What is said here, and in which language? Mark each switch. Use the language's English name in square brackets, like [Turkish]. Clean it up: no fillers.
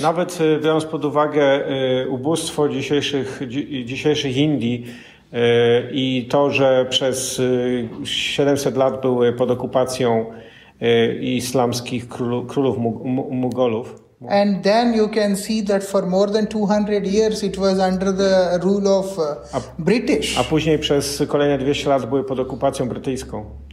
[Polish] Nawet biorąc pod uwagę ubóstwo dzisiejszych Indii i to, że przez 700 lat były pod okupacją islamskich królów Mughalów. [English] And then you can see that for more than 200 years it was under the rule of British. [Polish] A później przez kolejne 200 lat były pod okupacją brytyjską.